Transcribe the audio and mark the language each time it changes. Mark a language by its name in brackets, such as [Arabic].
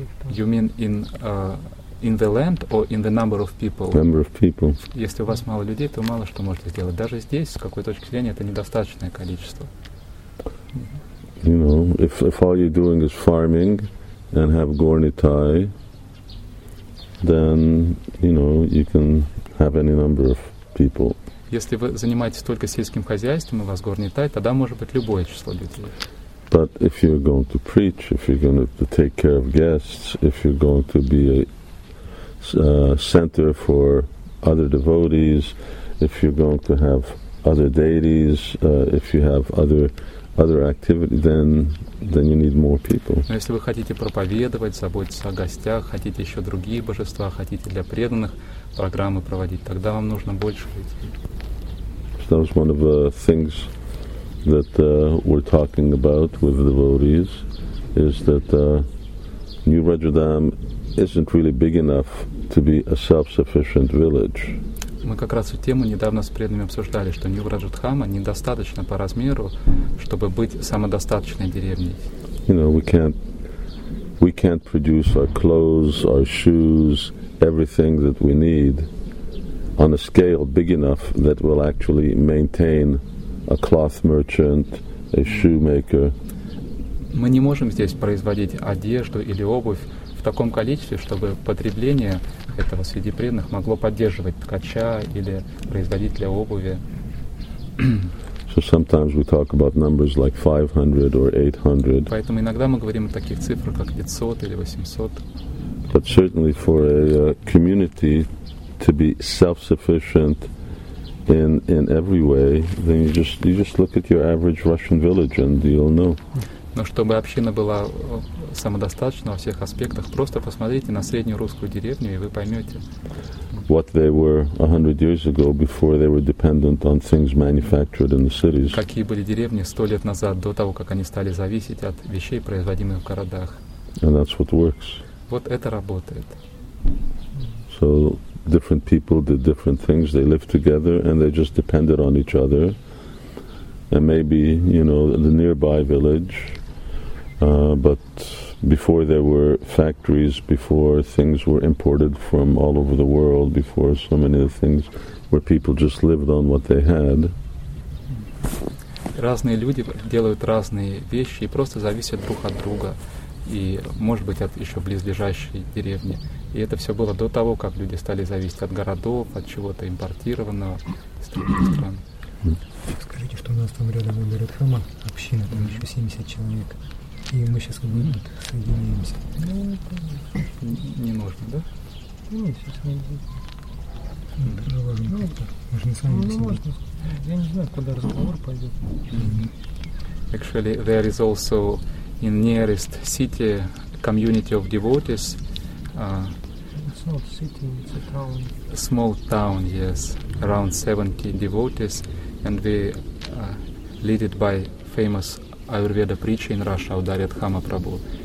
[English] You mean in the land or in the number of people? Number of people. [Russian] Если у вас мало людей, то вы мало что можете сделать. Даже здесь, с какой точки зрения, это недостаточное количество. [English] You know, if all you're doing is farming and have gornitai, then, you know, you can have any number of people. [Russian] Если вы занимаетесь только сельским хозяйством, и у вас горнитай, тогда может быть любое число людей. [English] But if you're going to preach, if you're going to take care of guests, if you're going to be a center for other devotees, if you're going to have other deities, if you have other activity, then you need more people. [Russian] Но если вы хотите проповедовать, заботиться о гостях, хотите еще другие божества, хотите для преданных программы проводить, тогда вам нужно больше людей. [English] So that was one of the things that we're talking about with the devotees, is that New Rajadham isn't really big enough to be a self-sufficient village. [Russian] Мы как раз эту тему недавно с преданными обсуждали, что Нью-Раджатхама недостаточно по размеру, чтобы быть самодостаточной деревней. [English] You know, we can't produce our clothes, our shoes, everything that we need on a scale big enough that will actually maintain a cloth merchant, a shoemaker. [Russian] Мы не можем здесь производить одежду или обувь в таком количестве, чтобы потребление этого среди преданных могло поддерживать ткача или производителя обуви. [English] So sometimes we talk about numbers like 500 or 800. [Russian] Поэтому иногда мы говорим о таких цифрах, как 500 или 800. [English] But certainly for a community to be self-sufficient in every way, then you just look at your average Russian village and you'll know. [Russian] Но чтобы община была самодостаточна во всех аспектах, просто посмотрите на среднюю русскую деревню, и вы поймете. [English] What they were 100 years ago, before they were dependent on things manufactured in the cities. [Russian] Какие были деревни 100 лет назад, до того, как они стали зависеть от вещей, производимых в городах. [English] And that's what works. [Russian] Вот это работает. [English] So different people did different things. They lived together, and they just depended on each other. And maybe, you know, the nearby village, but before there were factories, before things were imported from all over the world, before so many of the things where people just lived on what they had. [Russian] Разные люди делают разные вещи и просто зависят друг от друга и, может быть, от еще близлежащей деревни. И это все было до того, как люди стали зависеть от городов, от чего-то импортированного из других стран. Скажите, что у нас там рядом выберет храма, община, там еще 70 человек. И мы сейчас как бы соединяемся. Не нужно, да? Ну, сейчас найдем. Это же важно. Ну, это. Мы же не сами не сидим. Я не знаю, куда разговор пойдет. [English] Actually, there is also in nearest city community of devotees. It's not city, it's a town. Small town, yes. Around 70 devotees. And we led it by famous Ayurveda preacher in Russia, Udari Adhama Prabhu.